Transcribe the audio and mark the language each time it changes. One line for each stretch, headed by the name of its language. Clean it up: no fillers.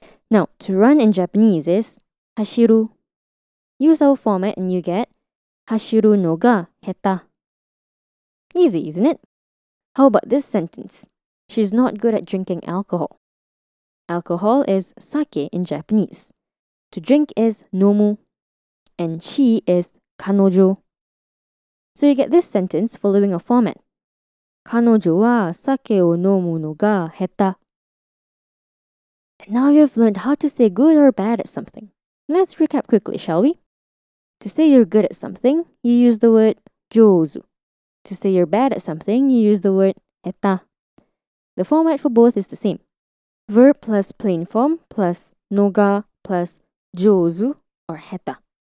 English: Now, to run in Japanese is hashiru. Use our format and you get
Japanese: hashiru no ga heta.
English: Easy, isn't it? How about this sentence? She's not good at drinking alcohol. Alcohol is sake in Japanese. To drink is nomu. And she is kanojo. So you get this sentence following a format.
Japanese: 彼女は酒を飲むのが下手.
English: And now you've learned how to say good or bad at something. Let's recap quickly, shall we? To say you're good at something, you use the word 上手. To say you're bad at something, you use the word 下手. The format for both is the same. Verb plus plain form plus のが plus 上手 or 下手.